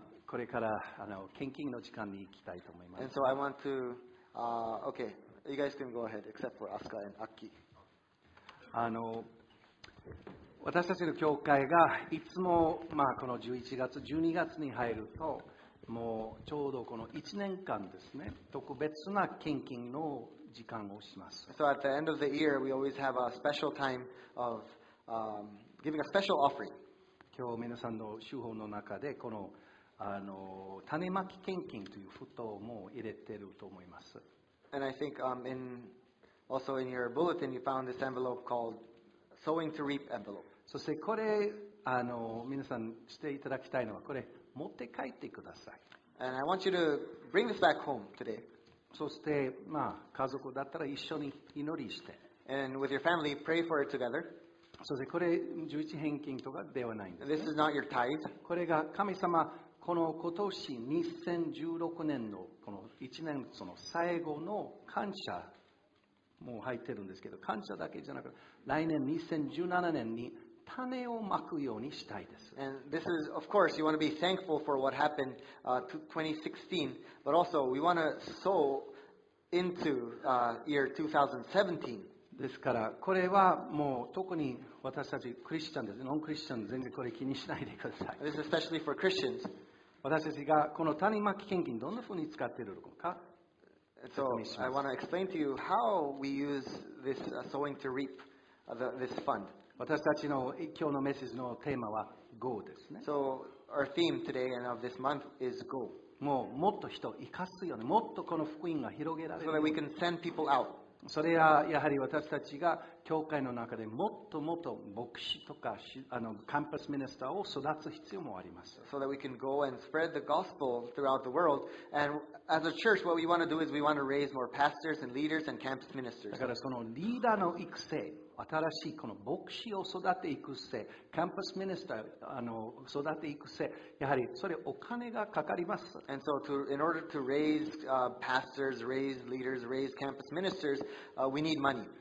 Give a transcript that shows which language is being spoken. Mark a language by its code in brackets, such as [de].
[ja] これから献金の時間に行きたいと思います。 [en] And so I want to, okay. You guys can go ahead, except for Asuka and Aki. [ja] 私たちの教会がいつも、この11月、12月に入ると、もうちょうどこの1年間ですね、特別な献金の時間をします。 [en] So at the end of the year, we always have a special time of giving a special offering. [ja] 今日皆さんの手法の中で、この、種まき献金という封筒も入れていると思います。 [en] And I think in also in your bulletin you found this envelope called sowing to reap envelope. [ja] そしてこれ皆さんしていただきたいのはこれ持って帰ってください。 [en] And I want you to bring this back home today. [ja] そして家族だったら一緒に祈りして。 [en] And with your family pray for it together. [ja] そしてこれ十一返金とかではないんです、ね。 [en] This is not your tithe. [ja] これが神様この今年2016年のこの1年その最後の感謝も入ってるんですけど感謝だけじゃなく来年2017年に種をまくようにしたいです。 [en] And this is, of course, you want to be thankful for what happened to 2016, but also we want to sow into year 2017. [ja] ですからこれはもう特に私たちクリスチャンです。ノンクリスチャン全然これ気にしないでください。 [en] This is especially for Christians. [ja] 私たちがこの種まき献金どんなふうに使っているのか [en] So I want to explain to you how we use this sowing to reap this fund. [ja] 私たちの今日のメッセージのテーマは Go ですね [en] So our theme today and of this month is Go. [ja] もうもっと人を生かすよねもっとこの福音が広げられる [en] So that we can send people out. [ja] それはやはり私たちが教会の中でもっともっと牧師とかカンパスミニスターを育つ必要もあります。 [en] So that we can go and spread the gospel throughout the world. And as a church, what we want to do is we want to raise more pastors and leaders and campus ministers. [ja] だからそのリーダーの育成、新しいこの牧師を育て育成、カンパスミニスター育て育成、やはりそれお金がかかります。 [en] And so in order to raise pastors, raise leaders, raise campus ministers, we need money.